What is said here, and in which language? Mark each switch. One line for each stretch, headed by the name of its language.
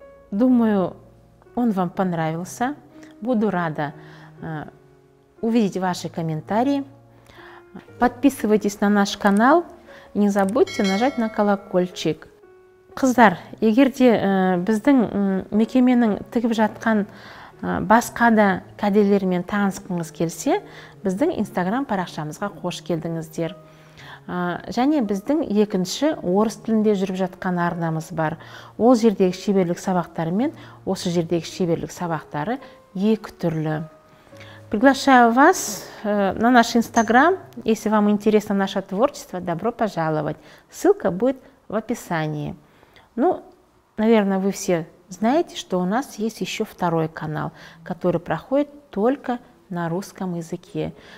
Russian: Думаю, он вам понравился. Буду рада увидеть ваши комментарии. Подписывайтесь на наш канал. Не забудьте нажать на колокольчик.
Kazakh: Қыздар, егер де біздің мекеменің тігіп жатқан басқа да кәделермен танысқыңыз келсе, біздің Instagram парақшамызға қош келдіңіздер. Және біздің екінші орыс тілінде жүріп жатқан арнамыз бар. Ол жердегі шеберлік сабақтары мен осы жердегі шеберлік сабақтары екі түрлі.
Russian: Приглашаю вас на наш Инстаграм. Если вам интересно наше творчество, добро пожаловать. Ссылка будет в описании. Ну, наверное, вы все знаете, что у нас есть еще второй канал, который проходит только на русском языке.